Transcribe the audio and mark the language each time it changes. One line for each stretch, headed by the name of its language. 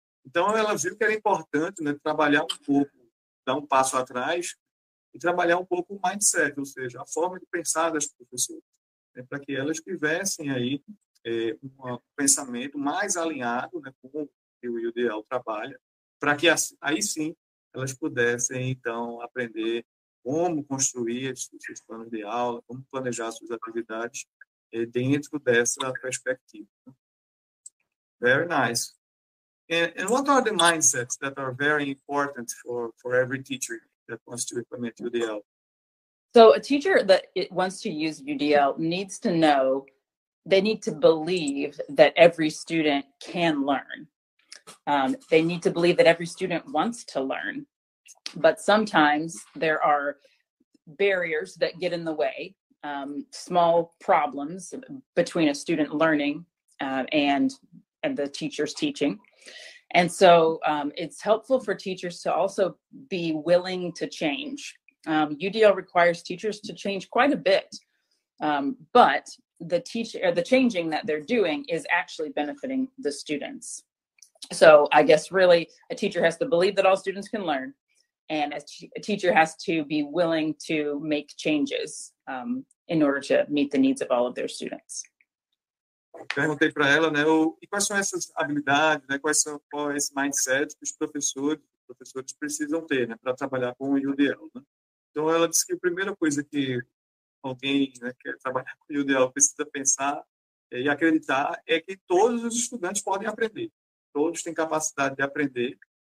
Portuguese: Então, ela viu que era importante, né, trabalhar um pouco, dar um passo atrás e trabalhar um pouco o mindset, ou seja, a forma de pensar das professoras, né, para que elas tivessem aí um pensamento mais alinhado, né, com o que o UDL trabalha, para que aí sim elas pudessem, então, aprender como construir seus planos de aula, como planejar suas atividades dentro dessa perspectiva.
English: Very nice. And what are the mindsets that are very important for every teacher that wants to implement UDL? So a teacher that wants to use UDL needs to know, they need to believe that every student can learn. They need to believe that every student wants to learn. But sometimes there are barriers that get in the way small problems between a student learning and the teacher's teaching. And so it's helpful for teachers to also be willing to change. UDL requires teachers to change quite a bit, but the teacher, the changing that they're doing is actually benefiting the students. So I guess really a teacher has to believe that all students can learn, and a teacher has to be willing to make changes in order to meet the needs of all of their students.
Portuguese: Perguntei para ela, né, e quais são essas habilidades, né, quais são, qual é esse mindset que os professores precisam ter, né, para trabalhar com o UDL, né? Então ela disse que a primeira coisa que alguém, né, quer trabalhar com o UDL precisa pensar e acreditar é que todos os estudantes podem aprender, todos têm capacidade de aprender.